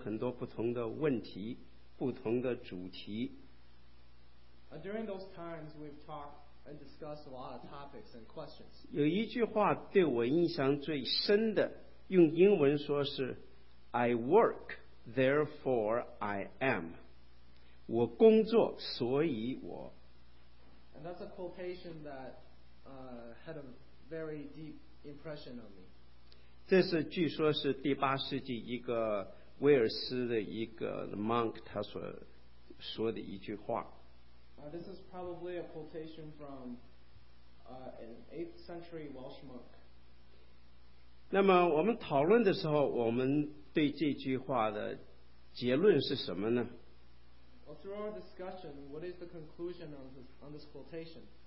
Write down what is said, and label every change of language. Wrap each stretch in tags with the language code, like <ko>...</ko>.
<zh>我们在那个里面曾经谈过，讨论一些很多不同的问题，不同的主题。</zh> <en>During those times, we've talked and discussed a lot of topics and questions.</en> <zh>有一句话对我印象最深的，用英文说是</zh> <en>I work, therefore I am.</en> <zh>我工作，所以我。</zh> <en>And that's a quotation that had a very deep impression on me.</en> <zh>这是据说是第八世纪一个威尔斯的一个 monk 他所说的一句话。</zh> <en>This is probably a quotation from an 8th century Welsh monk.</en> <zh>那么我们讨论的时候，我们对这句话的结论是什么呢？</zh> <en>Well, through our discussion, what is the conclusion on this quotation?</en>